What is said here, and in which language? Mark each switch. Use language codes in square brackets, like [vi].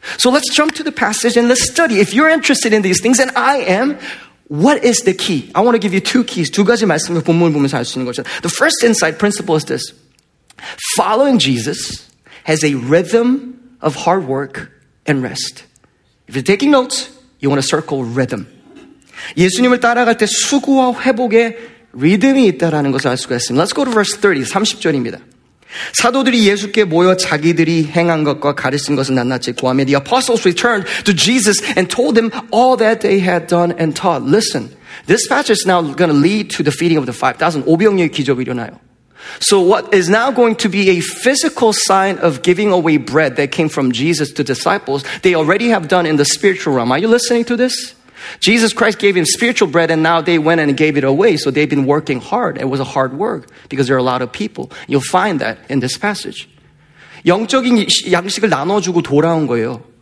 [en] So let's jump to the passage and let's study. If you're interested in these things, and I am, what is the key? I want to give you two keys, [ko] 두 가지 말씀을 본문을 보면서 알 수 있는 거죠. [en] The first insight principle is this. Following Jesus has a rhythm of hard work and rest. If you're taking notes, you want to circle rhythm. [ko] 예수님을 따라갈 때 수고와 회복에 리듬이 있다라는 것을 알 수가 있습니다. [en] Let's go to verse 30, [ko] 30절입니다. 사도들이 예수께 모여 자기들이 행한 것과 가르친 것을 낱낱이 고하며 [en] The apostles returned to Jesus and told them all that they had done and taught. Listen, this passage is now going to lead to the feeding of the 5,000. [ko] 오병이어의 기적이 일어나요. [en] So what is now going to be a physical sign of giving away bread that came from Jesus to disciples, they already have done in the spiritual realm. Are you listening to this? Jesus Christ gave him spiritual bread and now they went and gave it away. So they've been working hard. It was a hard work because there are a lot of people. You'll find that in this passage. [ko] 영적인 양식을 나눠주고 돌아온 거예요.